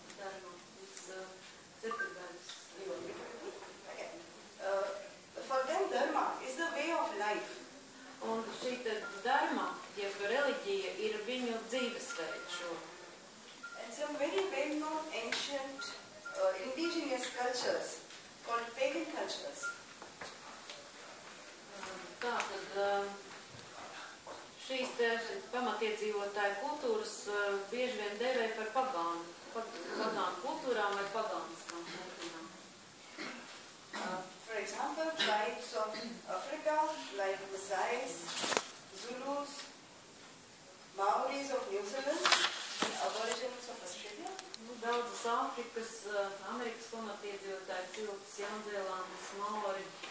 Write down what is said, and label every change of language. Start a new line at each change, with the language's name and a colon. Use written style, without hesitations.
English: Dharma is accepted by the society. Okay. For them, dharma is the way of life.
Latvian: Un šī tad dharma, jeb reliģija, ir viņu dzīvesveids.
English: And some very well-known ancient indigenous cultures called pagan cultures.
Latvian: Tā, tad šīs te pamatiedzīvotāju kultūras bieži vien dēvē par pagānu kultūrām vai pagāniskām kultūrām.
English: For example, tribes of Africa, like the Maasais, Zulus, Maoris of New Zealand, and aborigines of Australia.
Latvian: Daudzas Āfrikas, Amerikas pamatiedzīvotāju cilvēks, Jaunzēlandes, Maori,